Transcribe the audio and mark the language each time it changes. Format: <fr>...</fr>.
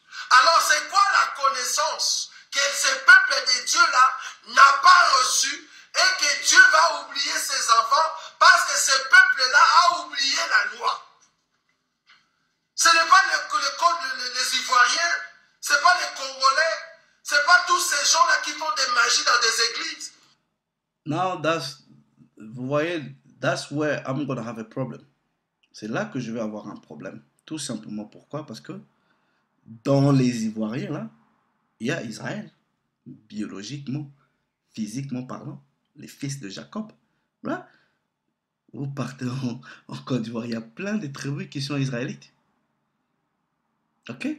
<fr>Alors, c'est quoi la connaissance que ce peuple de Dieu-là n'a pas reçue? Et que Dieu va oublier ses enfants parce que ce peuple-là a oublié la loi. Ce n'est pas les Ivoiriens, ce n'est pas les Congolais, ce n'est pas tous ces gens-là qui font des magies dans des églises.</fr> <en>Now,</en> <fr>vous voyez,</fr> <en>that's where I'm going to have a problem.</en> <fr>C'est là que je vais avoir un problème. Tout simplement pourquoi? Parce que dans les Ivoiriens, là, il y a Israël, biologiquement, physiquement parlant, les fils de Jacob. Là, vous partez en Côte d'Ivoire, il y a plein de tribus qui sont israélites. Ok?</fr>